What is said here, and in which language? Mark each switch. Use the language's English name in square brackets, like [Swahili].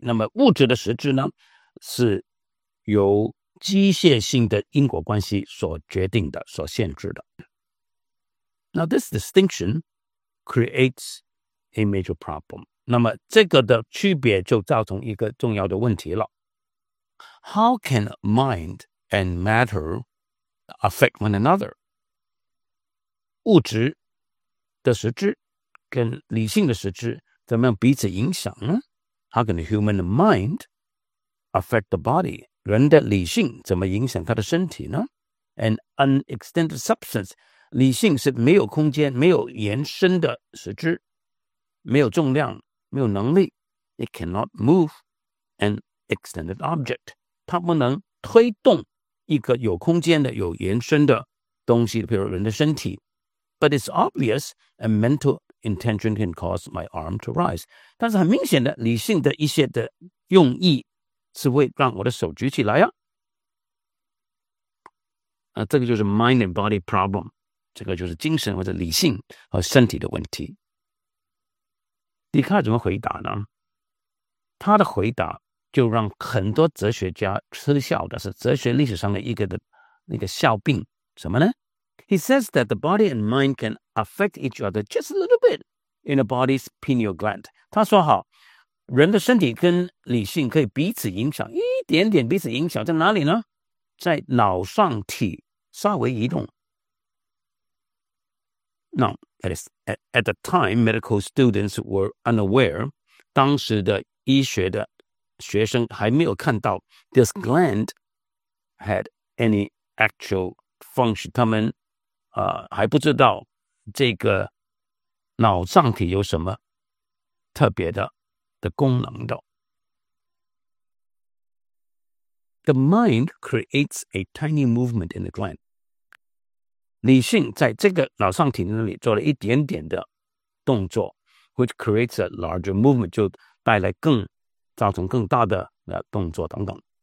[Chinese] 那么物质的实质呢，是由机械性的因果关系所决定的，所限制的。 [English] Now this distinction creates a major problem. [Chinese] 那么这个的区别就造成一个重要的问题了。 [English] How can mind and matter affect one another? [Chinese] 物质的实质跟理性的实质怎么样彼此影响呢？ [English] How can the human mind affect the body? [Chinese] 人的理性怎么影响他的身体呢？ [English] An unextended substance, [Chinese] 理性是没有空间，没有延伸的实质，没有重量，没有能力。 [English] It cannot move an extended object. [Chinese] 它不能推动一个有空间的，有延伸的东西，比如人的身体。 [English] But it's obvious a mental intention can cause my arm to rise. [Chinese] 但是很明显的，理性的一些的用意是会让我的手举起来啊。这个就是 [English] mind and body problem， [Chinese] 这个就是精神或者理性和身体的问题。笛卡尔怎么回答呢？他的回答就让很多哲学家嗤笑的，是哲学历史上的一个的那个笑柄，什么呢？ [English] He says that the body and mind can affect each other just a little bit in the body's pineal gland. [Chinese] 他说好，人的身体跟理性可以彼此影响，一点点彼此影响，在哪里呢？在脑上体稍微移动。 [English] Now, at the time, medical students were unaware, [Chinese] 当时的医学的学生还没有看到 [English] this gland had any actual function. [Chinese] 他们还不知道这个脑上体有什么特别的功能的。 [English] The mind creates a tiny movement in the gland. [Chinese] 理性在这个脑上体那里做了一点点的动作， [English] which creates a larger movement， [Chinese] 就带来更造成更大的动作等等。